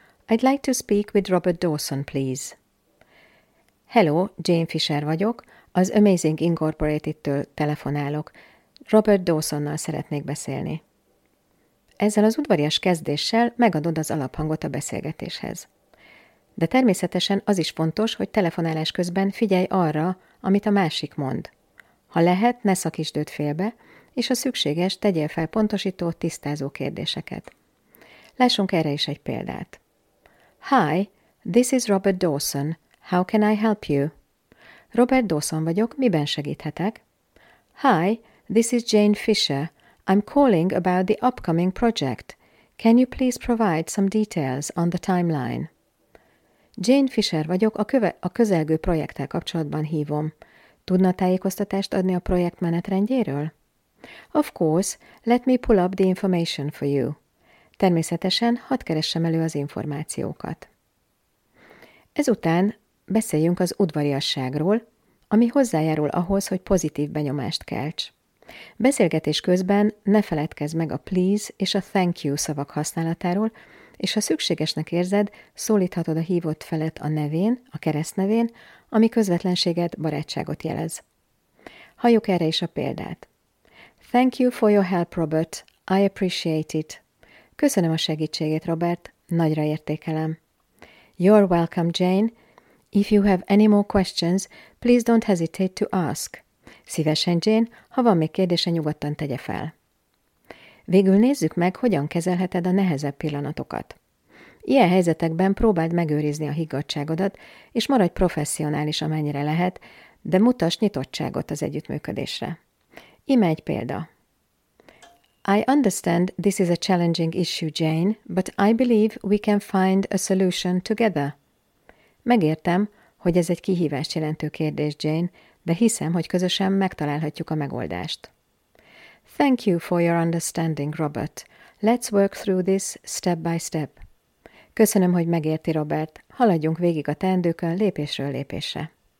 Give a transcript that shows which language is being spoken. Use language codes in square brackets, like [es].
[en] I'd like to speak with Robert Dawson, please. [hu] Hello, Jane Fisher vagyok. Az Amazing Incorporated-től telefonálok. Robert Dawsonnal szeretnék beszélni. Ezzel az udvarias kezdéssel megadod az alaphangot a beszélgetéshez. De természetesen az is fontos, hogy telefonálás közben figyelj arra, amit a másik mond. Ha lehet, ne szakítsd őt félbe, és ha szükséges, tegyél fel pontosító, tisztázó kérdéseket. Lássunk erre is egy példát. [en] Hi, this is Robert Dawson. How can I help you? [hu] Robert Dawson vagyok, miben segíthetek? [en] Hi, this is Jane Fisher. I'm calling about the upcoming project. Can you please provide some details on the timeline? [hu] Jane Fisher vagyok, a közelgő projekttel kapcsolatban hívom. Tudna tájékoztatást adni a projekt menetrendjéről? [en] Of course, let me pull up the information for you. [hu] Természetesen, hadd keressem elő az információkat. Ezután beszéljünk az udvariasságról, ami hozzájárul ahhoz, hogy pozitív benyomást kelts. Beszélgetés közben ne feledkezz meg a please és a thank you szavak használatáról, és ha szükségesnek érzed, szólíthatod a hívott felet a nevén, a keresztnevén, ami közvetlenséget, barátságot jelez. Halljuk erre is a példát. [en] Thank you for your help, Robert. I appreciate it. [hu] Köszönöm a segítségét, Robert. Nagyra értékelem. [en] You're welcome, Jane. If you have any more questions, please don't hesitate to ask. [hu] Szívesen, Jane, ha van még kérdése, nyugodtan tegye fel. Végül nézzük meg, hogyan kezelheted a nehezebb pillanatokat. Ilyen helyzetekben próbáld megőrizni a higgadtságodat, és maradj professzionális, amennyire lehet, de mutass nyitottságot az együttműködésre. Íme egy példa. [en] I understand this is a challenging issue, Jane, but I believe we can find a solution together. [hu] Megértem, hogy ez egy kihívást jelentő kérdés, Jane, de hiszem, hogy közösen megtalálhatjuk a megoldást. [en] Thank you for your understanding, Robert. Let's work through this step by step. [hu] Köszönöm, hogy megérti, Robert. Haladjunk végig a teendőkön lépésről lépésre.